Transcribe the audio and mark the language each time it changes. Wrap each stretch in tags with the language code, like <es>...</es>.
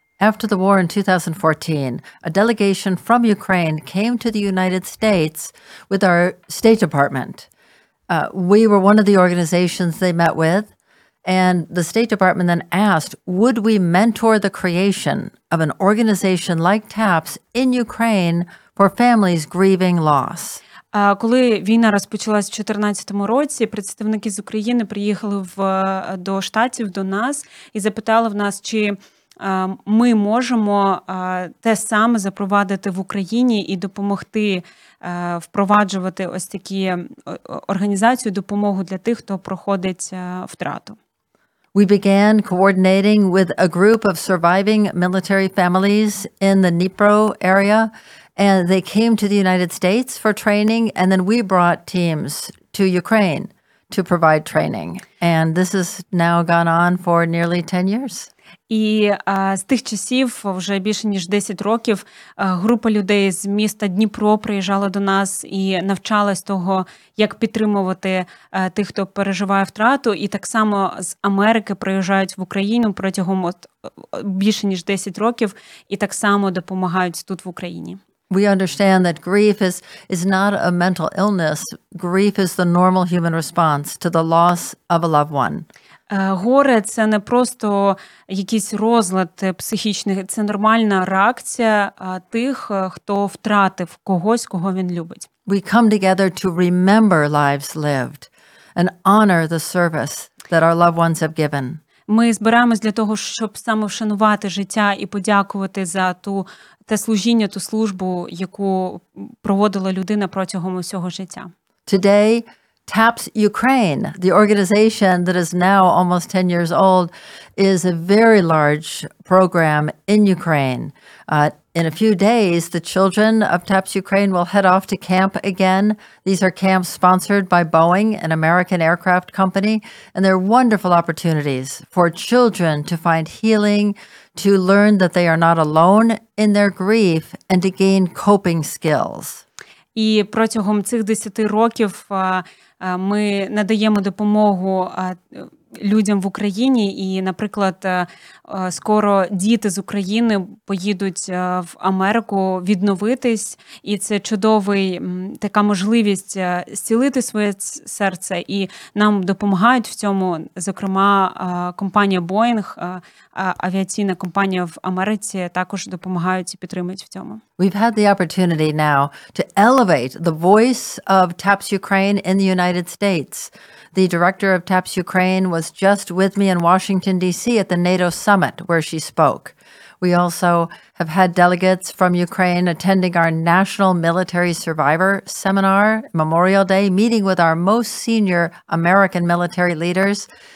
<en>After the war in 2014, a delegation from Ukraine came to the United States with our State Department. We were one of the organizations they met with, and the State Department then asked, would we mentor the creation of an organization like TAPS in Ukraine for families grieving loss?</en> <uk>Коли війна розпочалась у 2014 році, представники з України приїхали до Штатів, до нас, і запитали в нас, чи ми можемо те саме запровадити в Україні і допомогти впроваджувати ось такі організацію, допомогу для тих, хто проходить втрату.</uk> <en>We began coordinating with a group of surviving military families in the Dnipro area, and they came to the United States for training, and then we brought teams to Ukraine to provide training. And this has now gone on for nearly 10 years.</en> <uk>І з тих часів, вже більше ніж 10 років, група людей з міста Дніпро приїжджала до нас і навчалась того, як підтримувати тих, хто переживає втрату. І так само з Америки приїжджають в Україну протягом більше ніж 10 років і так само допомагають тут в Україні.</uk> <en>We understand that grief is not a mental illness. Grief is the normal human response to the loss of a loved one.</en> <uk>Горе – це не просто якийсь розлад психічний, це нормальна реакція тих, хто втратив когось, кого він любить.</uk> <en>We come together to remember lives lived and honor the service that our loved ones have given.</en> <uk>Ми збираємось для того, щоб саме вшанувати життя і подякувати за те служіння, ту службу, яку проводила людина протягом усього життя.</uk> <en>Today, TAPS Ukraine, the organization that is now almost 10 years old, is a very large program in Ukraine. In a few days, the children of TAPS Ukraine will head off to camp again. These are camps sponsored by Boeing, an American aircraft company, and they're wonderful opportunities for children to find healing, to learn that they are not alone in their grief, and to gain coping skills.</en> <uk>І протягом цих 10 років ми надаємо допомогу людям в Україні, і, наприклад, скоро діти з України поїдуть в Америку відновитись, і це чудовий така можливість зцілити своє серце, і нам допомагають в цьому, зокрема, компанія Boeing, авіаційна компанія в Америці, також допомагають і підтримують в цьому.</uk> <en>We've had the opportunity now to elevate the voice of TAPS Ukraine in the United States. The director of TAPS Ukraine was just with me in Washington, D.C. at the NATO summit where she spoke. We also have had delegates from Ukraine attending our National Military Survivor Seminar, Memorial Day, meeting with our most senior American military leaders.</en>